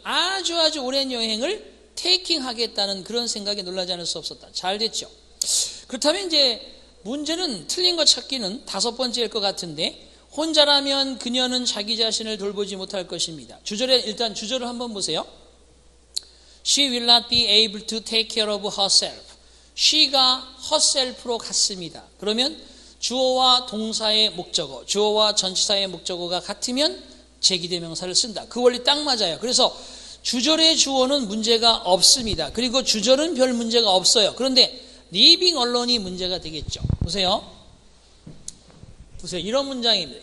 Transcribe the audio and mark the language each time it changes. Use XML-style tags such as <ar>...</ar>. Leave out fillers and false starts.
<ko>아주 아주 오랜 여행을 taking 하겠다는 그런 생각에 놀라지 않을 수 없었다. 잘 됐죠. 그렇다면 이제 문제는 틀린 거 찾기는 다섯 번째일 것 같은데 혼자라면 그녀는 자기 자신을 돌보지 못할 것입니다. 주절에 일단 주절을 한번 보세요.</ko> <en>She will not be able to take care of herself.</en> <ko>She가 herself로 갔습니다. 그러면 주어와 동사의 목적어, 주어와 전치사의 목적어가 같으면 제기대명사를 쓴다. 그 원리 딱 맞아요. 그래서 주절의 주어는 문제가 없습니다. 그리고 주절은 별 문제가 없어요. 그런데</ko> <en>living alone</en> <ko>이 문제가 되겠죠. 보세요. 보세요. 이런 문장입니다.</ko>